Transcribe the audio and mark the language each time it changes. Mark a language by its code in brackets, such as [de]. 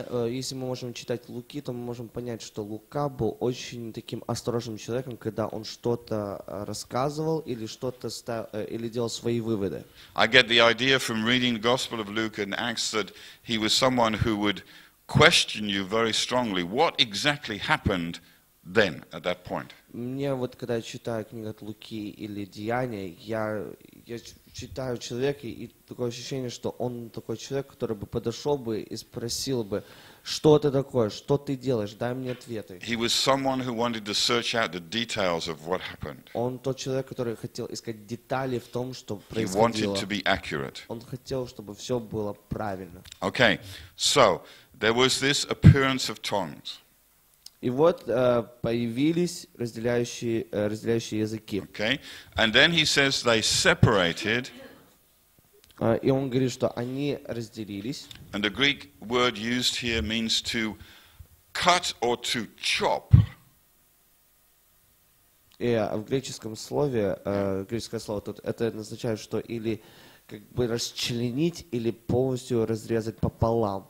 [ru] Если мы можем читать Луки, то мы можем понять, что Лука был очень таким осторожным человеком, когда он что-то рассказывал или что-то ставил, или делал свои выводы. [en] I get the idea from reading the Gospel of Luke and Acts that he was someone who would question you very strongly. What exactly happened then at that point? [ru] Мне вот когда я читаю книгу Луки или Деяния, я читаю человека, и такое ощущение, что он такой человек, который бы подошел бы и спросил бы, Что это такое? Что ты делаешь? Дай мне ответы. [en] He was someone who wanted to search out the details of what happened. [ru] Он тот человек, который хотел искать детали в том, что происходило. [en] He wanted to be accurate. [ru] Он хотел, чтобы все было правильно. [en] Okay, so there was this appearance of tongues. [ru] И вот появились разделяющие языки. [en] Okay, and then he says they separated. [ru] И он говорит, что они разделились. [en] And the Greek word used here means to cut or to chop. [ru] И в греческом слове, греческое слово тут, это означает, что или как бы расчленить, или полностью разрезать пополам.